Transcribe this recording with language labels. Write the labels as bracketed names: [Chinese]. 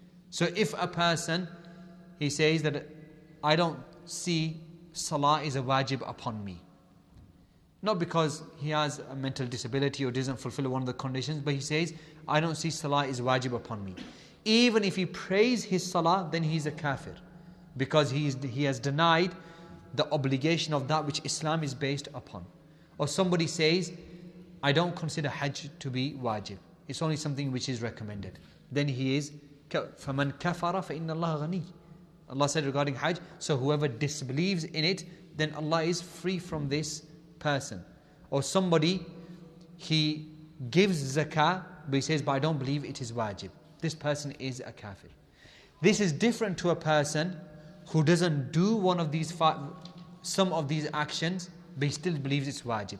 [English] So if a person, he says that I don't see salah is a wajib upon me, not because he has a mental disability or doesn't fulfill one of the conditions, but he says I don't see salah is wajib upon me, even if he prays his salah, then he's a kafir, because he has denied the obligation of that which Islam is based upon. Or somebody says, I don't consider Hajj to be wajib, it's only something which is recommended. Then he is, [Arabic] فَمَنْ كَفَرَ فَإِنَّ اللَّهَ غَنِيٍّ. [English] Allah said regarding Hajj, so whoever disbelieves in it, then Allah is free from this person. Or somebody, he gives zakah, but he says, but I don't believe it is wajib. This person is a kafir. This is different to a person who doesn't do one of these some of these actions, but he still believes it's wajib.